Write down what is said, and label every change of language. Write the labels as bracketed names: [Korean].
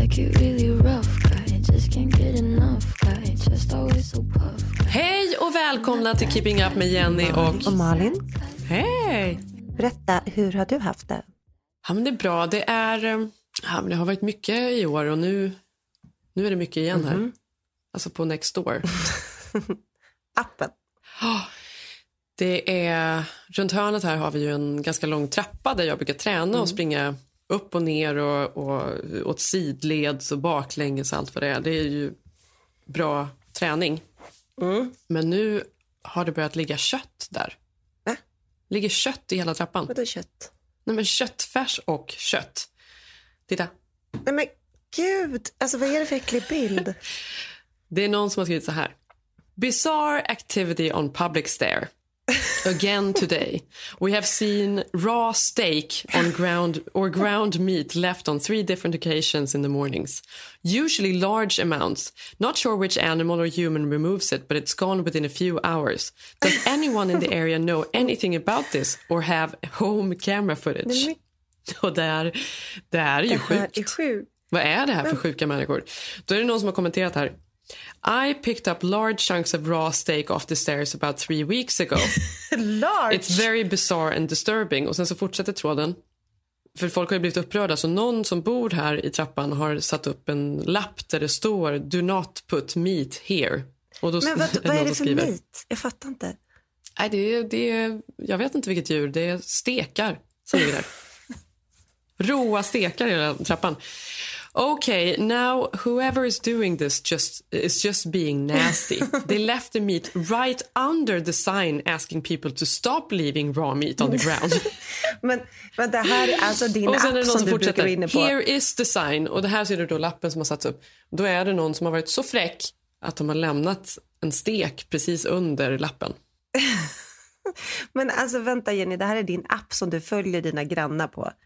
[English] like you really rough guy, just can't get enough guy, just always so puff. [Swedish] Hej och välkomna till Keeping Up med Jenny och Malin. Hej! Berätta, hur har du haft det? Ja, men det är bra. Det är, ja, men det har varit mycket i år och nu är det mycket igen här. Mm-hmm. Alltså på next door. Appen. Det är, runt hörnet här har vi ju en ganska lång trappa där jag brukar träna och springa upp och ner och åt sidleds och baklänges och allt vad det är. Det är ju bra träning. Men nu har det börjat ligga kött där. Va? Ligger kött i hela trappan. Vad är kött? Nej, men köttfärs och kött. Titta. Nej, men gud. Alltså, vad är det för äcklig bild? Det är någon som har skrivit så här. [English] Bizarre activity on public stair. Again today. We have seen raw steak on ground or ground meat left on 3 different occasions in the mornings. Usually large amounts. Not sure which animal or human removes it, but it's gone within a few hours. Does anyone in the area know anything about this or have home camera footage? [Swedish] Och det är ju sjukt. Vad är det här för sjuka människor? Då är det någon som har kommenterat här. [English] I picked up large chunks of raw steak off the stairs about 3 weeks ago. Large? It's very bizarre and disturbing. [Swedish] Och sen så fortsätter tråden. För folk har ju blivit upprörda. Så någon som bor här i trappan har satt upp en lapp där det står [English] Do not put meat here. [Swedish] Och då, men vad är det för skriver, meat? Jag fattar inte. Nej, jag vet inte vilket djur. Det är stekar som ligger där. Råa stekar i den trappan. [English] Okay, now whoever is doing this is just being nasty. They left the meat right under the sign asking people to stop leaving raw meat on the ground. [Swedish] men det här är alltså din app som du brukar vara inne på. [English] Here is the sign. [Swedish] Och det här ser du då lappen som har satts upp. Då är det någon som har varit så fräck att de har lämnat en stek precis under lappen. Men alltså vänta Jenny, det här är din app som du följer dina grannar på.